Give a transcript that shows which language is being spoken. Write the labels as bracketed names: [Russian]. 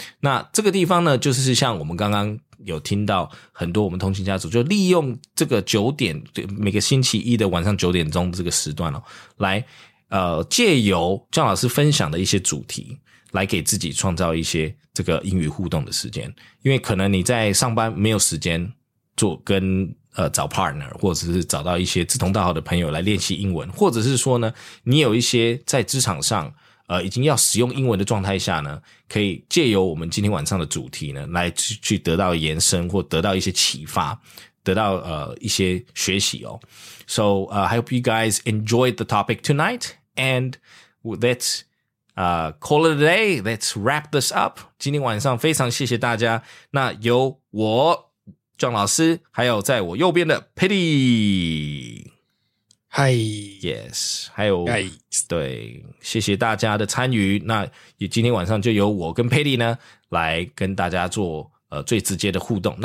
[Chinese] 那这个地方呢就是像我们刚刚有听到很多我们通勤家族就利用这个九点，每个星期一的晚上九点钟这个时段哦，来借由姜老师分享的一些主题来给自己创造一些这个英语互动的时间，因为可能你在上班没有时间做跟找 partner 或者是找到一些志同道合的朋友来练习英文，或者是说呢你有一些在职场上已经要使用英文的状态下呢，可以借由我们今天晚上的主题呢，来去得到延伸或得到一些启发，得到一些学习哦。 [English] So, I hope you guys enjoyed the topic tonight. And let's, call it a day. Let's wrap this up. [Chinese] 今天晚上非常谢谢大家。那由我John 老师，还有在我右边的 Pity，嗨，Yes， 还有， [English] Hi. [Chinese] 对，谢谢大家的参与。那也今天晚上就由我跟 Pity 呢来跟大家做最直接的互动。